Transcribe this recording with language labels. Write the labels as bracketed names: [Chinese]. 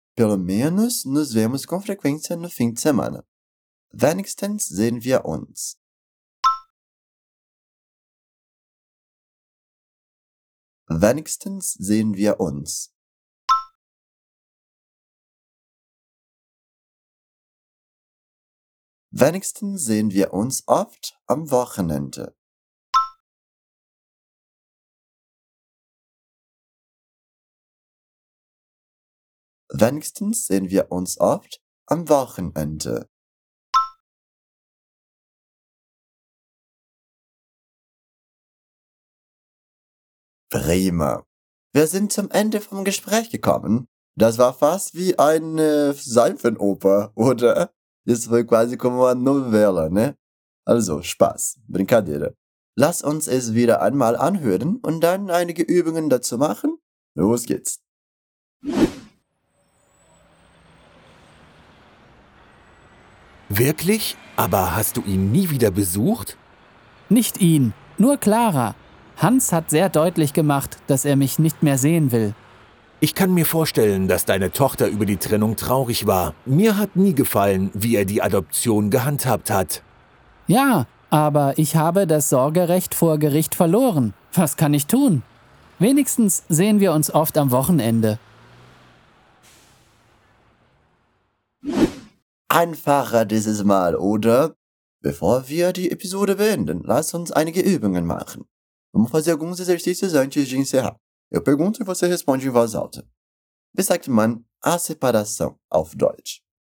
[Portuguese] Pelo menos nos vemos com frequência no fim de semana. [German] Wenigstens sehen wir uns. Wenigstens sehen wir uns. Wenigstens sehen wir uns oft am Wochenende. Wenigstens sehen wir uns oft am Wochenende. Prima. Wir sind zum Ende vom Gespräch gekommen. Das war fast wie eine Seifenoper, oder? Das war quasi [Portuguese] como uma novela, ne? [German] Also, Spaß. Brincadeira. Lass uns es wieder einmal anhören und dann einige Übungen dazu machen. Los geht's. Wirklich? Aber hast du ihn nie wieder besucht? Nicht ihn, nur Clara. Hans hat sehr deutlich gemacht, dass er mich nicht mehr sehen will. Ich kann mir vorstellen, dass deine Tochter über die Trennung traurig war. Mir hat nie gefallen, wie er die Adoption gehandhabt hat. Ja, aber ich habe das Sorgerecht vor Gericht verloren. Was kann ich tun? Wenigstens sehen wir uns oft am Wochenende. Einfacher dieses Mal, oder? Bevor wir die Episode beenden, lass uns einige Übungen machen. [Portuguese] Vamos fazer alguns exercícios antes de encerrar. Eu pergunto e você responde em voz alta. [German] Wie sagt man [Portuguese] a separação [German] auf Deutsch?